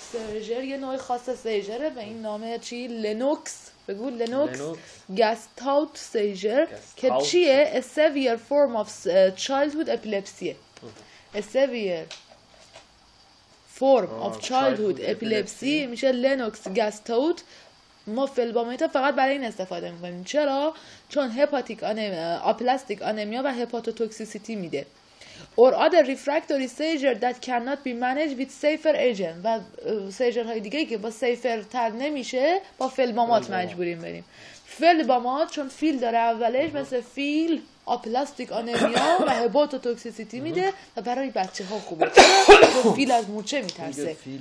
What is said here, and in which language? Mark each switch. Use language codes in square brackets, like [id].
[fa] seizure یه نوع خاص سیجره به این نامه چی؟ لنوکس، بگو لنوکس گستاوت سیجر که چیه؟ [en] a severe form of childhood epilepsy. A severe form of childhood epilepsy میشه Lennox Gastaut. [fa] ما فلبامیتا فقط برای این استفاده میکنیم. چرا؟ چون هپاتیک آپلاستیک آنمیا و هپاتوتوکسیسیتی میده. [en] Or other refractory seizure that cannot be managed with safer agent. [fa] و seizure های دیگه که با safer تر نمیشه با فلبامات مجبوریم بریم. فلبامات چون فیل داره اولش مثل فیل آپلاستیک آنمیا و هپاتوتوکسیسیتی میده و برای بچه ها خوبه. چون فیل از مورچه میترسه.